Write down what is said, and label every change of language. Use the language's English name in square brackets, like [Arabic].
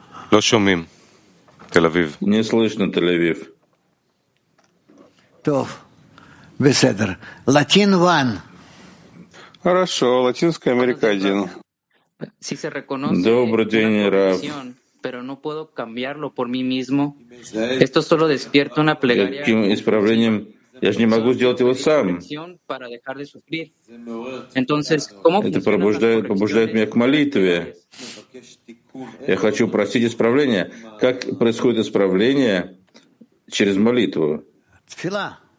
[Hebrew] Ло шумим. Тель-Авив. [Russian] Не слышно, Тель-Авив. [Hebrew] Тов. Беседер. Латин ван. [Russian] Хорошо, Латинская Америка один. Добрый день, Рав. [Spanish] Pero no puedo cambiarlo por mí mismo. Esto solo despierta una plegaria. [Russian] Каким исправлением? Я же не могу сделать его сам. [Spanish] Entonces, ¿cómo [Russian] это побуждает меня к молитве. Я хочу просить исправления. Как происходит исправление через молитву? [Hebrew] Тфила.